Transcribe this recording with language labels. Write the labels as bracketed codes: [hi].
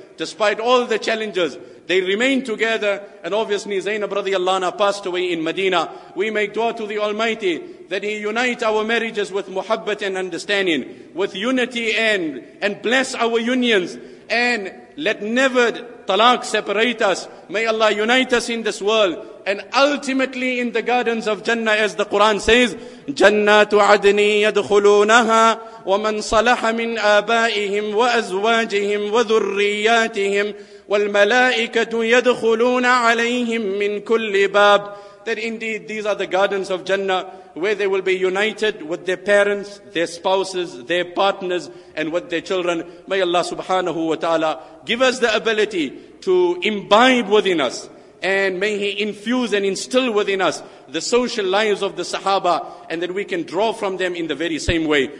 [en] Despite all the challenges, they remained together, and obviously Zainab radiallahu anha passed away in Medina. We make dua to the Almighty that He unite our marriages with muhabbat and understanding, with unity, and bless our unions, and let never talaq separate us. May Allah unite us in this world. And ultimately in the gardens of Jannah, as the Quran says, [ar] جَنَّاتُ عَدْنِي يَدْخُلُونَهَا وَمَنْ صَلَحَ مِنْ آبَائِهِمْ وَأَزْوَاجِهِمْ وَذُرِّيَّاتِهِمْ وَالْمَلَائِكَةُ يَدْخُلُونَ عَلَيْهِمْ مِنْ كُلِّ بَابٍ. [en] That indeed these are the gardens of Jannah, where they will be united with their parents, their spouses, their partners, and with their children. May Allah subhanahu wa ta'ala give us the ability to imbibe within us, and may He infuse and instill within us the social lives of the Sahaba, and that we can draw from them in the very same way.